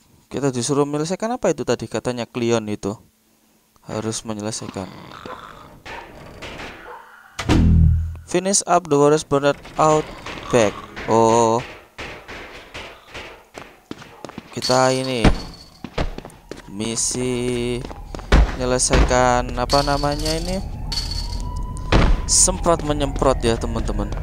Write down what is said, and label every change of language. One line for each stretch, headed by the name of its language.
Indonesian: Kita disuruh menyelesaikan apa itu tadi katanya Cleon itu. Harus menyelesaikan.
English: Finish up the Warrior's burner out back.
Indonesian: Oh, kita ini misi menyelesaikan apa namanya ini, semprot menyemprot ya teman-teman.